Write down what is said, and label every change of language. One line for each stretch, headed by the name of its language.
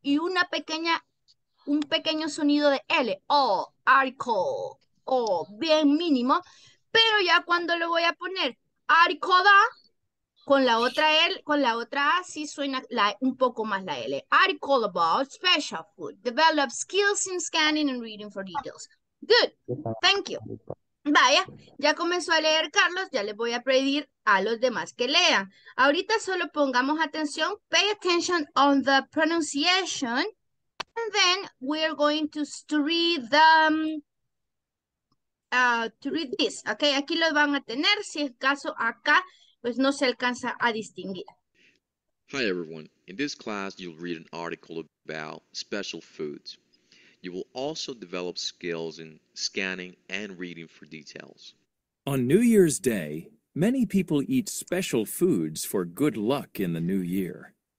Spanish: Y una pequeña, un pequeño sonido de L. O, article. O, bien mínimo. Pero ya cuando lo voy a poner,
English: article,
Spanish: con la otra L, con la otra A, sí suena la, un poco más la L.
English: Article about special food. Develop skills in scanning and reading for details. Good. Thank you.
Spanish: Vaya, ya comenzó a leer Carlos, ya les voy a pedir a los demás que lean. Ahorita solo pongamos atención,
English: pay attention on the pronunciation, and then we're going to read this.
Spanish: Okay, aquí los van a tener, si es caso acá, pues no se alcanza a distinguir.
English: Hi everyone, in this class you'll read an article about special foods. You will also develop skills in scanning and reading for details. On New Year's Day, many people eat special foods for good luck in the new year.